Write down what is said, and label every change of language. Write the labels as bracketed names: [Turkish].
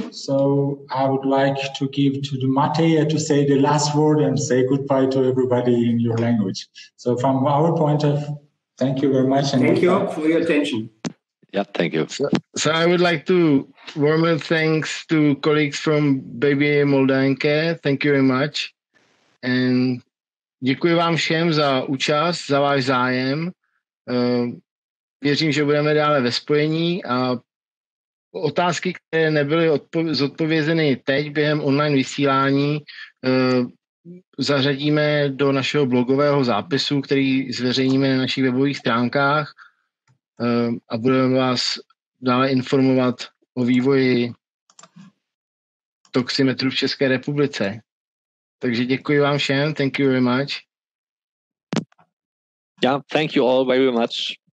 [English] So I would like to give to the Matěj to say the last word and say goodbye to everybody in your language. So from our point of, thank you very much. And thank you for your attention. Yeah, thank you. So I would like to warmly thanks to colleagues from BBA Moldaenke. Thank you very much. [Czech] And děkuji vám všem za účast, za váš zájem. Věřím, že budeme dále ve spojení, a otázky, které nebyly zodpovězeny teď během online vysílání, zařadíme do našeho blogového zápisu, který zveřejníme na našich webových stránkách. A budeme vás dále informovat o vývoji toximetrů v České republice. Takže děkuji vám všem. [English] Thank you very much. Yeah, thank you all very much.